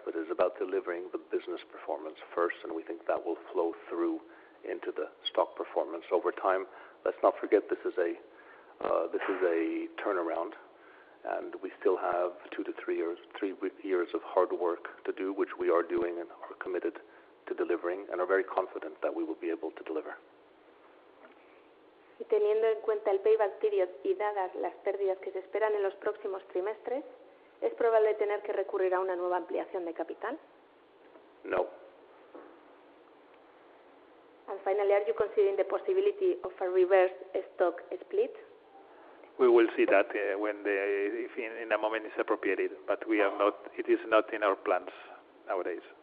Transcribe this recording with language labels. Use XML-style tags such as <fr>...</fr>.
<en>It is about delivering the business performance first, and we think that will flow through into the stock performance over time. Let's not forget this is a turnaround, and we still have three years of hard work to do, which we are doing and are committed to delivering and are very confident that we will be able to deliver.</en> <es>Teniendo en cuenta el payback period y dadas las pérdidas que se esperan en los próximos trimestres, ¿es probable tener que recurrir a una nueva ampliación de capital?</es> <en>No. Finally, are you considering the possibility of a reverse stock split? We will see that if in a moment it's appropriate, but it is not in our plans nowadays.</en>